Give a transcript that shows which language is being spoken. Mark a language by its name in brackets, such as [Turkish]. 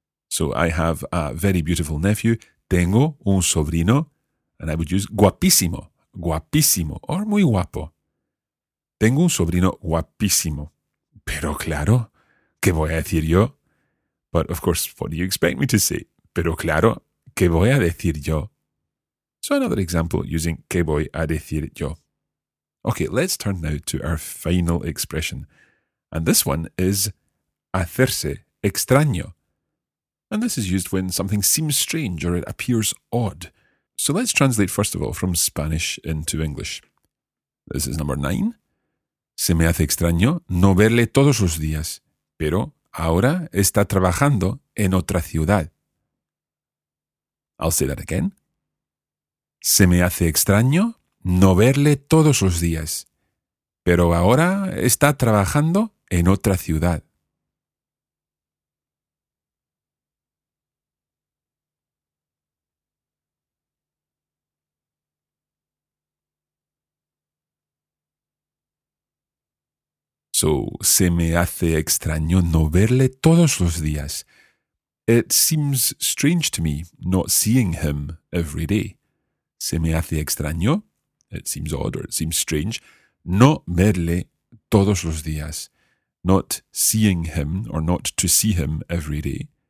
[English] So I have a very beautiful nephew, [Spanish] tengo un sobrino, [English] and I would use guapísimo, guapísimo, or [Spanish] muy guapo. Tengo un sobrino guapísimo. Pero claro, ¿qué voy a decir yo? [English] But of course, what do you expect me to say? [Spanish] Pero claro, ¿qué voy a decir yo? [English] So another example using [Spanish] ¿qué voy a decir yo? [English] Okay, let's turn now to our final expression. And this one is [Spanish] hacerse extraño. [English] And this is used when something seems strange or it appears odd. So let's translate, first of all, from Spanish into English. This is number 9. [Spanish] Se me hace extraño no verle todos los días, pero ahora está trabajando en otra ciudad. [English] I'll say that again. [Spanish] Se me hace extraño no verle todos los días, pero ahora está trabajando en otra ciudad. So, se me hace extraño no verle todos los días. [English] It seems strange to me not seeing him every day. [Spanish] Se me hace extraño. [English] It seems odd or it seems strange. [Spanish] No verle todos los días. [English] Not seeing him or not to see him every day.